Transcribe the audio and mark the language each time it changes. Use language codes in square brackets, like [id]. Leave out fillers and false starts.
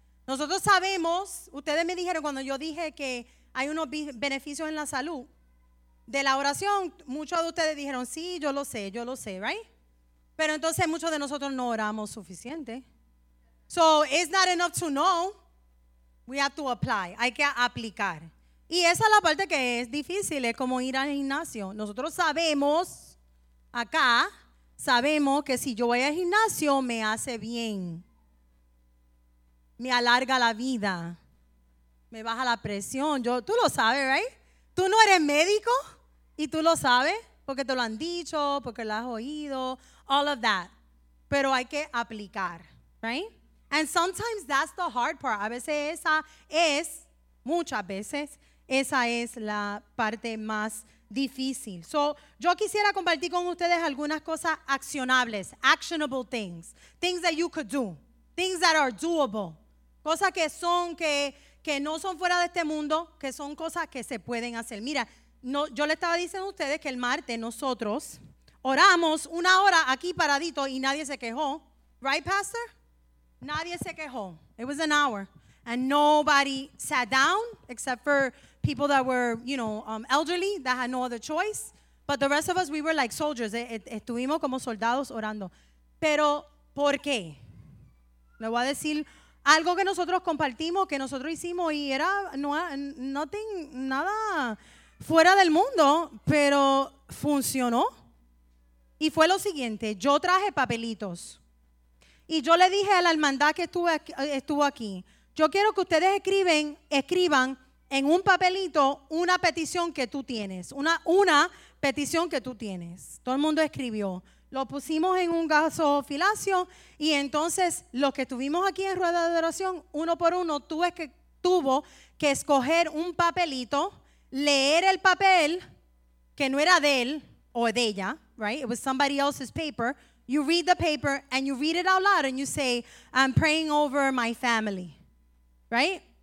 [es] Nosotros sabemos, ustedes me dijeron cuando yo dije que hay unos beneficios en la salud de la oración, muchos de ustedes dijeron, sí, yo lo sé, right? Pero entonces muchos de nosotros no oramos suficiente. [en] So it's not enough to know, we have to apply, [es] hay que aplicar. Y esa es la parte que es difícil, es como ir al gimnasio. Nosotros sabemos acá, sabemos que si yo voy al gimnasio me hace bien, me alarga la vida, me baja la presión. Tú lo sabes, right? Tú no eres médico y tú lo sabes porque te lo han dicho, porque lo has oído, [en] all of that. [es] Pero hay que aplicar, [en] right? And sometimes that's the hard part. [es] A veces esa es, muchas veces, esa es la parte más difícil. So, yo quisiera compartir con ustedes algunas cosas accionables, [en] actionable things, things that you could do, things that are doable, [es] cosas que son, que no son fuera de este mundo, que son cosas que se pueden hacer. Mira, no, yo le estaba diciendo a ustedes que el martes nosotros Oramos una hora aquí paradito y nadie se quejó. [en] Right, Pastor? [es] Nadie se quejó. [en] It was an hour. And nobody sat down except for people that were, you know, elderly that had no other choice. But the rest of us, we were like soldiers. [es] Estuvimos como soldados orando. Pero, ¿por qué? Le voy a decir algo que nosotros compartimos, que nosotros hicimos y era nada fuera del mundo, pero funcionó. Y fue lo siguiente, yo traje papelitos y yo le dije a la hermandad que estuvo aquí, yo quiero que ustedes escriban en un papelito una petición que tú tienes, una petición que tú tienes. Todo el mundo escribió. Lo pusimos en un gasofilacio y entonces los que estuvimos aquí en Rueda de Adoración, uno por uno, tuvo que escoger un papelito, leer el papel que no era de él o de ella, right? [en] It was somebody else's paper. You read the paper and you read it out loud and you say, I'm praying over my family, right?